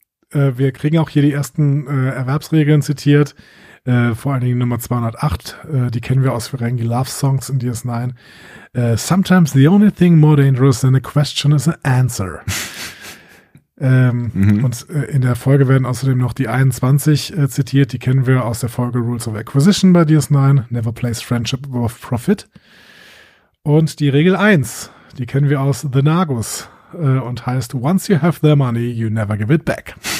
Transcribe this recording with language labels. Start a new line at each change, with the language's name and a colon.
German: Wir kriegen auch hier die ersten Erwerbsregeln zitiert. Vor allen Dingen Nummer 208, die kennen wir aus Ferengi Love Songs in DS9.
English: Sometimes the only thing more dangerous than a question is an answer.
German: Und in der Folge werden außerdem noch die 21 zitiert, die kennen wir aus der Folge Rules of Acquisition bei DS9.
English: Never place friendship above profit.
German: Und die Regel 1, die kennen wir aus The Nagus und heißt:
English: Once you have their money, you never give it back.